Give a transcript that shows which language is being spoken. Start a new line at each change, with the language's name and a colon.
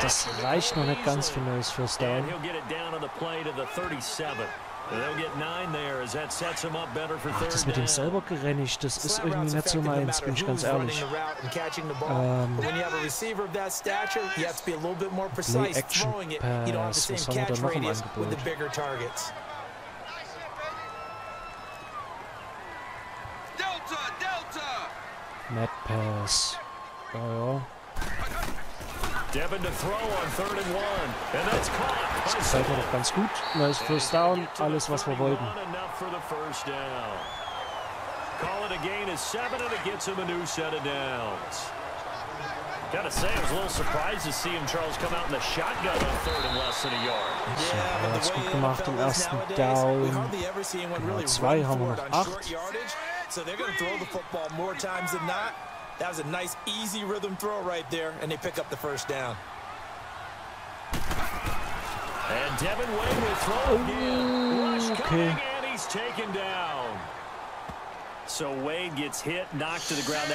German: Das reicht noch nicht ganz für neues First Down.
English: He'll get it down on the play to the 37. They'll get 9 there as that sets him up better for 3.
German: Das mit dem selber gerennig, das ist irgendwie nicht so meins, bin ich ganz ehrlich.
English: When you have a receiver of that stature, you have to be a little bit more precise throwing it. You don't have the same catch radius with the bigger targets. Delta, Delta. Net pass. Oh, ja. Devin to throw on third and one. And that's caught.
German: Das gefällt mir ganz gut.
English: Nice first down.
German: Alles, was wir wollten.
English: Call it a gain is 7 and it gets him a new set of downs. Gotta say, I was a little surprised to see him, Charles, come out in the shotgun on third and less than a yard.
German: So, ja, das gut gemacht im ersten Down. Genau, 2 haben wir noch 8.
English: So they're gonna throw the football more times than not. That was a nice, easy rhythm throw right there, and they pick up the first down. And Devin Wade will throw again. Coming, and he's taken down. So Wade gets hit, knocked to the ground.